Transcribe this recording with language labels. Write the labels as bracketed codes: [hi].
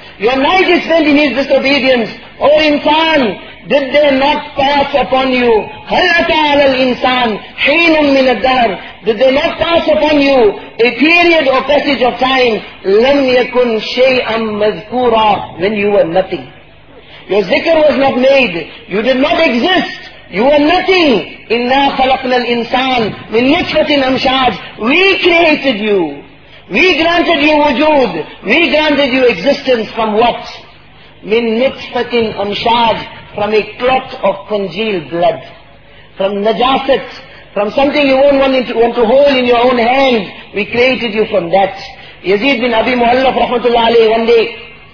[en] Your night is spent in His disobedience. O insan, did they not pass upon you? [ar] هَلْ أَتَى عَلَى الْإِنسَانِ حِينٌ مِّنَ الدَّهْرِ [en] Did they not pass upon you a period or passage of time? [ar] لَمْ يَكُنْ شَيْئًا مَذْكُورًا [en] When you were nothing. Your zikr was not made. You did not exist. You were nothing. [ar] إِنَّا خَلَقْنَا الْإِنسَانِ مِنْ نُطْفَةٍ أَمْشَاجٍ [en] We created you. We granted you wujud. We granted you existence from what? [ar] مِنْ نُطْفَةٍ أَمْشَاجٍ [en] From a clot of congealed blood. From najasat. From something you won't want to hold in your own hand. We created you from that. Yazid bin Abi Muhallaf rahmatullah alayhi one day.